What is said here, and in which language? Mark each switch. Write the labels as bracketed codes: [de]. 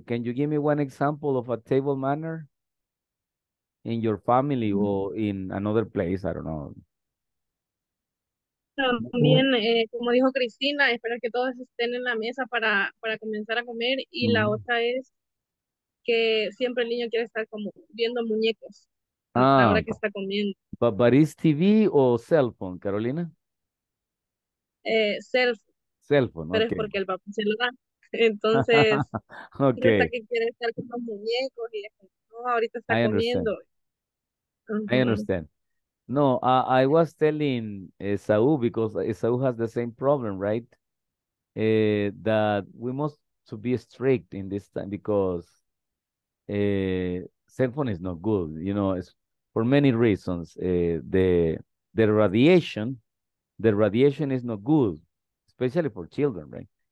[en] Can you give me one example of a table manner in your family or in another place? I don't know. [es] También, como dijo Cristina, esperar que todos estén en la mesa para comenzar a comer. Y la otra es que siempre el niño quiere estar como viendo muñecos. Ahora que está comiendo. [en] But is TV o cell phone, Carolina? [es] Cell phone, pero okay. Es porque el papá se lo da. Entonces, [en] okay. [es] Que quiere estar con los muñecos y ahorita está comiendo. [en] I understand. No, I was telling Esau, because Esau has the same problem, right? That we must to be strict in this time because cell phone is not good. You know, it's for many reasons. The radiation is not good, especially for children, right?